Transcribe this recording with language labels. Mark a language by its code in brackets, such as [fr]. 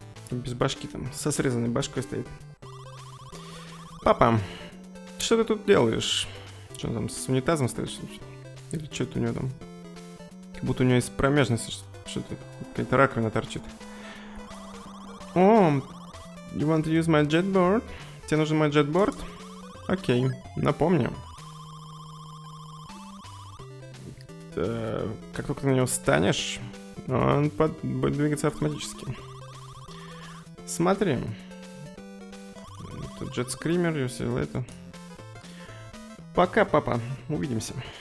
[ru] Без башки там, со срезанной башкой стоит. Папа, что ты тут делаешь? Что там, с унитазом стоишь? Или что-то у него там? Как будто у него есть промежность, что-то, какая-то раковина торчит. [en] О, you want to use my jetboard? [ru] Тебе нужен мой jetboard? Окей, напомни. Как только ты на него встанешь, он будет двигаться автоматически. Смотри. Это Jet Screamer, я все это. Пока, папа. Увидимся.